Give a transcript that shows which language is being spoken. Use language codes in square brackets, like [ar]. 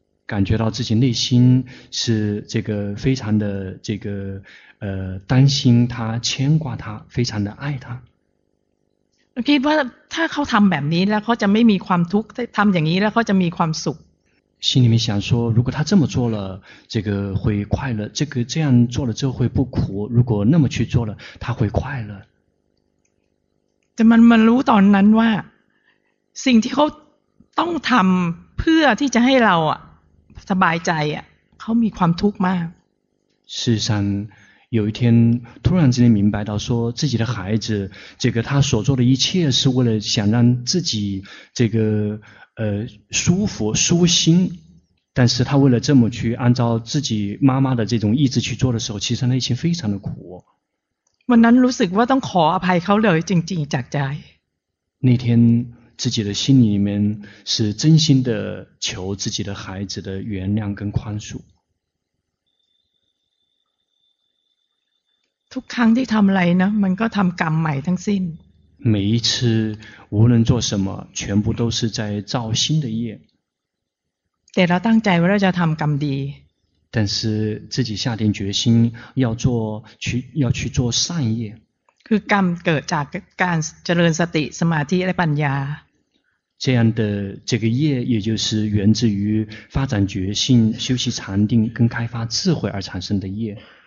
[zh] ก, 感觉到自己内心是这个非常的这个担心他牵挂他非常的爱他。我觉得他 [th] เขาทำแบบนี้แล้วเขาจะไม่มีความทุกข์ทำอย่างนี้แล้วเขาจะมีความสุข。 [zh] 心里面想说，如果他这么做了，这个会快乐。这个这样做了之后会不苦。如果那么去做了，他会快乐。 [th] แต่มันรู้ตอนนั้นว่าสิ่งที่เขาต้องทำเพื่อที่จะให้เราสบายใจเขามีความทุกข์มาก。 [zh] 事实上，有一天突然之间明白到说自己的孩子，这个他所做的一切是为了想让自己这个。舒服舒心，但是他为了这么去按照自己妈妈的这种意志去做的时候，其实内心非常的苦。 [th] วันนั้นรู้สึกว่าต้องขออภัยเขาเลยจริงๆจากใจ。 [zh] 那天自己的心里面是真心的求自己的孩子的原谅跟宽恕。 [th] ทุกครั้งที่ทำอะไรนะมันก็ทำกรรมใหม่ทั้งสิ้น。 [zh] 每一次无论做什么，全部都是在造新的业。 [th] แต่เราตั้งใจว่าเราจะทำกรรมดี。 [zh] 但是自己下定决心要做，要去做善业。 [th] คือกรรมเกิดจากการเจริญสติสมาธิและปัญญา。 [zh] 这样的这个业，也就是源自于发展觉性、修习禅定跟开发智慧而产生的业。